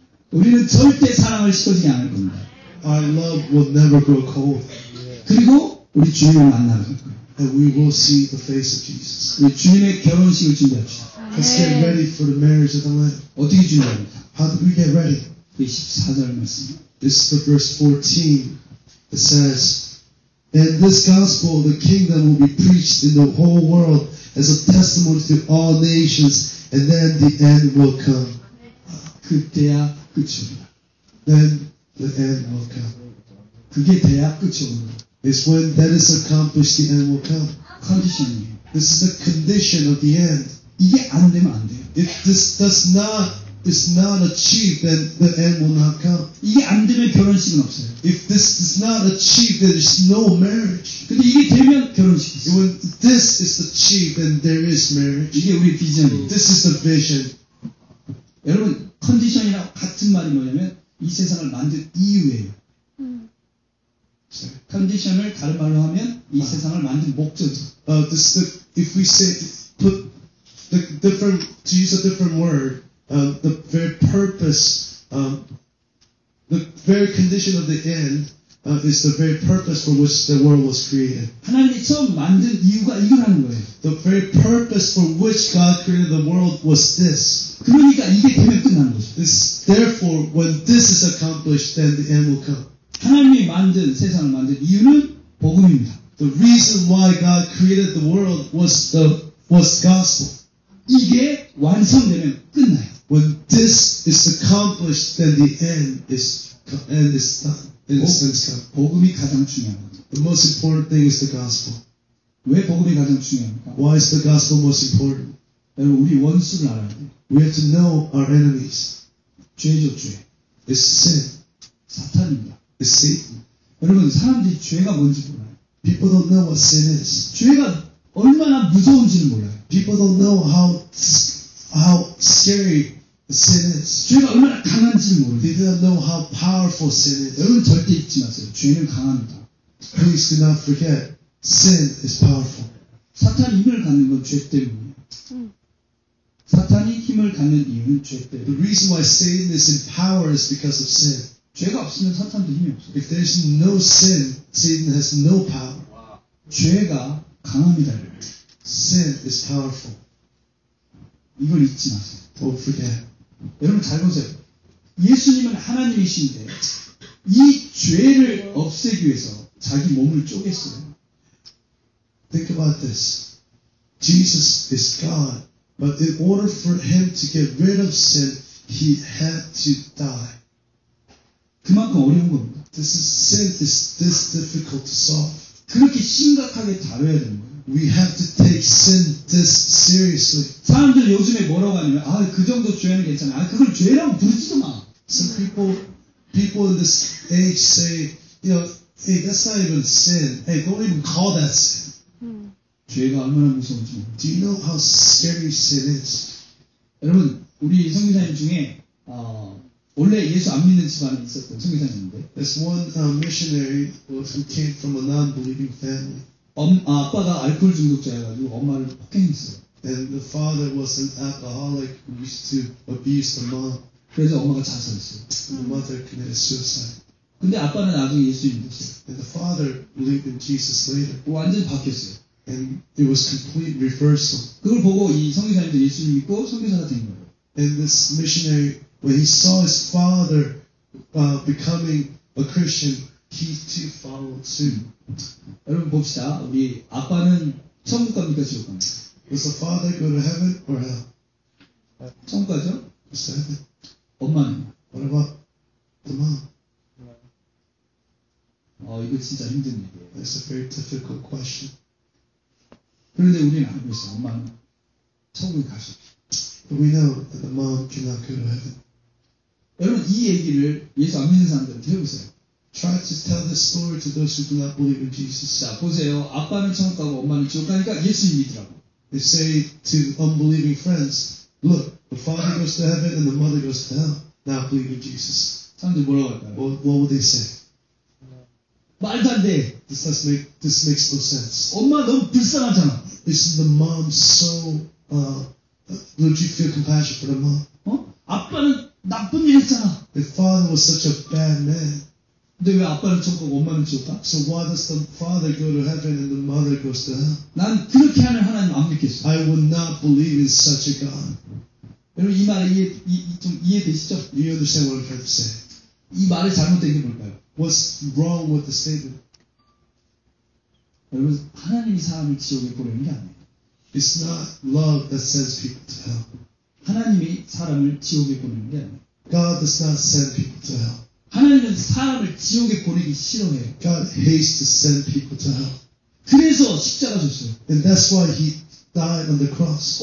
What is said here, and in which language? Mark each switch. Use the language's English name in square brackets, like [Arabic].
[Korean] 우리는 절대 사랑을 식어지지 않을 겁니다. [English] Our love will never grow cold. [Korean] 그리고 우리 주님을 만나는 거예요. [English] And we will see the face of Jesus. [Korean] 우리 주님의 결혼식을 준비합시다. [English] Let's get ready for the marriage of the Lamb. [Korean] 어떻게 준비합니까? [English] How do we get ready? [Korean] 24절 말씀. [English] This is the verse 14. It says, And this gospel, the kingdom will be preached in the whole world as a testimony to all nations, and then the end will come. [Korean] 그때야 끝입니다. [English] Then the end will come. [Korean] 그게 돼야 끝이 오는 거예요. [English] It's when that is accomplished, the end will come. Condition. This is the condition of the end. [Korean] 이게 안 되면 안 돼요. [English] If this does not, is not achieved, then the end will not come. [Korean] 이게 안 되면 결혼식은 없어요. [English] If this is not achieved, then there is no marriage. [Korean] 근데 이게 되면 결혼식이 있어요. [English] When this is achieved, then there is marriage. [Korean] 이게 우리 비전이에요. [English] This is the vision. [Korean] 여러분, condition이랑 같은 말이 뭐냐면, 이 세상을 만든 이유예요. Condition을 다른 말로 하면 이 세상을 만든 목적. [English] This, if we say put the different to use a different word, the very purpose, the very condition of the end is the very purpose for which the world was created. [Korean] 하나님이 처음 만든 이유가 이거라는 거예요. [English] The very purpose for which God created the world was this. [Korean] 그러니까 이게 되면 끝난 거죠. [English] This, therefore, when this is accomplished, then the end will come. [Korean] 하나님이 만든 세상을 만든 이유는 복음입니다. [English] The reason why God created the world was the gospel. [Korean] 이게 완성되면 끝나요. [English] When this is accomplished, then the end is done. In a sense, [Korean] 복음이 가장 중요합니다. [English] The most important thing is the gospel. [Korean] 왜 복음이 가장 중요합니까? [English] Why is the gospel most important? [Korean] 여러분, 우리 원수를 알아야 돼. [English] We have to know our enemies. [Korean] 죄죠, 죄. [English] It's sin. [Korean] 사탄입니다. [English] It's Satan. [Korean] 여러분, 사람들이 죄가 뭔지 몰라요. [English] People don't know what sin is. [Korean] 죄가 얼마나 무서운지는 몰라요. [English] People don't know how scary sin is. [Korean] 죄가 얼마나 강한지 모르죠. [English] They don't know how powerful sin is. [Korean] 여러분 절대 잊지 마세요. 죄는 강합니다. [English] Please do not forget, sin is powerful. [Korean] 사탄이 힘을 갖는 건 죄 때문이에요. 사탄이 힘을 갖는 이유는 죄 때문이에요. [English] The reason why Satan is in power is because of sin. [Korean] 죄가 없으면 사탄도 힘이 없어요. [English] If there is no sin, Satan has no power. [Korean] 죄가 강합니다. [English] Sin is powerful. [Korean] 이걸 잊지 마세요. [English] Don't forget. [Korean] 여러분 잘 보세요. 예수님은 하나님이신데 이 죄를 없애기 위해서 자기 몸을 쪼갰어요. [English] Think about this. Jesus is God, but in order for him to get rid of sin, he had to die. [Korean] 그만큼 어려운 겁니다. [English] This is sin is this difficult to solve. [Korean] 그렇게 심각하게 다뤄야 되는 거예요. [English] We have to take sin this seriously. [Korean] 사람들 요즘에 뭐라고 하냐면 아, 그 정도 죄는 괜찮아. 아, 그걸 죄라고 부르지도 마. [English] Some people in this age say, you know, hey, that's not even sin. Hey, don't even call that sin. [Korean] 죄가 얼마나 무서운지. [English] Do you know how scary sin is? [Korean] 여러분, 우리 성교사님 중에 원래 예수 안 믿는 집안에 있었던 성교사님인데. [English] There's one missionary who came from a non-believing family. [Korean] 아빠가 알코올 중독자여가지고 엄마를 폭행했어요. [English] And the father was an alcoholic who used to abuse the mom. [Korean] 그래서 엄마가 자살했어요. [English] The mother committed suicide. [Korean] 근데 아빠는 나중에 예수 믿었어요. [English] And the father believed in Jesus later. [Korean] 완전 바뀌었어요. [English] And it was complete reversal. [Korean] 그걸 보고 이 성교사님도 예수 믿고 성교사가 된 거예요. [English] And this missionary, when he saw his father becoming a Christian, he too followed suit. [Korean] 여러분 봅시다. 우리 아빠는 천국 갑니까 지옥 갑니까? [English] Is the father go to heaven or hell? [Korean] 천국 가죠? [English] Is the heaven? [Korean] 엄마는? [English] What about the mom? [Korean] 이거 진짜 힘든 얘기예요. [English] That's a very difficult question. [Korean] 그런데 우리는 알고 있어. 엄마는 천국에 가시오. [English] But we know that the mom cannot go to heaven. [Korean] 여러분 이 얘기를 예수 안 믿는 사람들한테 해보세요. [English] Try to tell this story to those who do not believe in Jesus. [Korean] 자, 보세요. 아빠는 천국 가고 엄마는 지옥 가니까 예수님 믿으라고. [English] They say to unbelieving friends, look, the father goes to heaven and the mother goes to hell. Now believe in Jesus. [Korean] 사람들 뭐라고 할까요? [English] What would they say? [Korean] 말도 안 돼. [English] This makes no sense. [Korean] 엄마 너무 불쌍하잖아. [English] Isn't the mom so, don't you feel compassion for the mom? [Korean] 어? 아빠는 나쁜 일 했잖아. [English] The father was such a bad man. [Korean] 근데 왜 아빠는 천국 엄마는 지옥 가? [English] So why does the father go to heaven and the mother goes to hell? [Korean] 난 그렇게 하는 하나님 안 믿겠어. [English] I would not believe in such a God. [Korean] 여러분 이 말 좀 이해되시죠? [English] You understand what I'm trying to say. [Korean] 이 말이 잘못된 게 뭘까요? [English] What's wrong with the statement? [Korean] 여러분 하나님이 사람을 지옥에 보내는 게 아니에요. [English] It's not love that sends people to hell. [Korean] 하나님이 사람을 지옥에 보내는 게 아니에요. [English] God does not send people to hell. [Korean] 하나님은 사람을 지옥에 보내기 싫어해요. [English] God hates to send people to hell. [Korean] 그래서 십자가 줬어요. [English] And that's why he died on the cross.